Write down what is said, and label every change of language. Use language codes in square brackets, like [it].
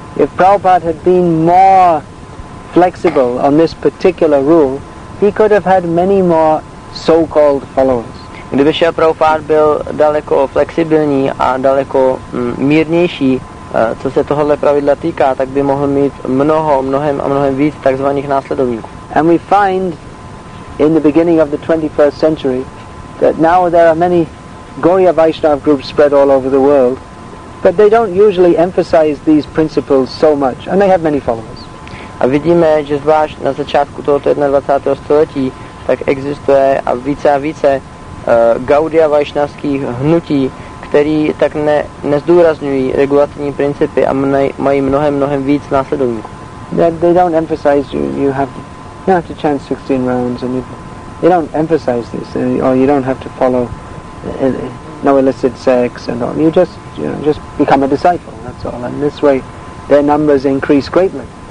[en] If Prabhupada had been more flexible on this particular rule, he could have had many more so-called followers. [cs] Kdyby Šíla Prabhupád byl daleko flexibilní a daleko mírnější, co se tohle pravidla týká, tak by mohl mít mnohem víc takzvaných následovníků. [en] And we find in the beginning of the 21st century that now there are many Gaudiya Vaishnava groups spread all over the world, but they don't usually emphasize these principles so much, and they have many followers. [cs] A vidíme, že zvlášť na začátku tohoto 21. století tak existuje a více Gaudiya Vaishnavských hnutí, který tak nezdůrazňují regulativní principy a mají mnohem víc následovníků. [en] They don't emphasize you have to chant 16 rounds and they don't emphasize this, or you don't have to follow no illicit sex and all. You just become a disciple, that's all. And this way their numbers increase greatly.